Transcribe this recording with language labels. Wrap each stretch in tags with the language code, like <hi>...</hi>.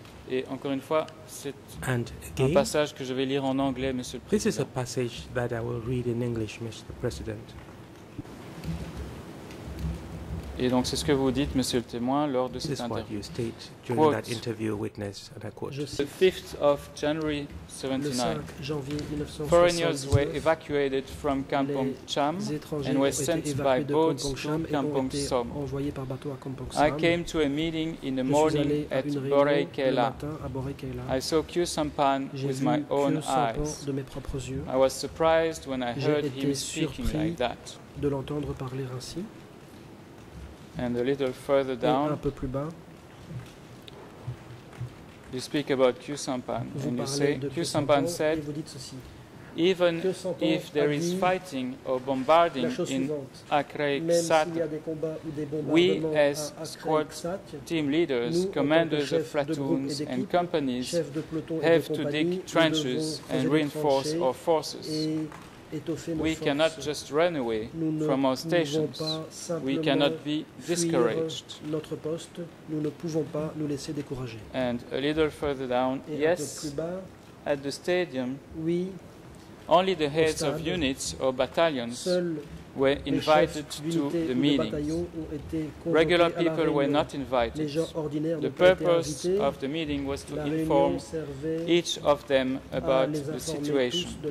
<fr>Et encore une fois, c'est un passage que je vais lire en anglais, Monsieur le Président.</fr> <en>This is a passage that I will read in English, Mr. President.</en> <fr>Et donc, c'est ce que vous dites, Monsieur le Témoin, lors de cette interview.</fr> <en>This is what you state during quote, that interview, witness, and I quote. The 5th of January 1979, foreigners were evacuated from Kampong Cham and were sent by boat to Kampong Som. I came to a meeting in the morning at Borei Kela. I saw Kyo Sampan with my own eyes. I was surprised when I heard him speaking like that.</en> <fr>De l'entendre parler ainsi.</fr> <en>And a little further down,</en> <fr>un peu plus bas,</fr> <en>you speak about Kyo Sampan, and you say, Kyo Sampan said,</en> <fr>vous dites ceci,</fr> <en>even if there is fighting or bombarding in Akreiksat, we as squad team leaders, commanders of platoons and companies, have to dig trenches and reinforce our forces. We cannot just run away from our stations. We cannot be discouraged.</en> <fr>Notre poste, nous ne pouvons pas nous laisser décourager.</fr> <en>And a little further down, yes,</en> <fr>bas,</fr> <en>at the stadium,</en> <fr>oui,</fr> <en>only the heads stade, of units or battalions were invited to the meeting. Regular people were not invited.</en> <fr>Les gens ordinaires</fr> <en>the purpose of the meeting was to inform each of them about the situation.</en>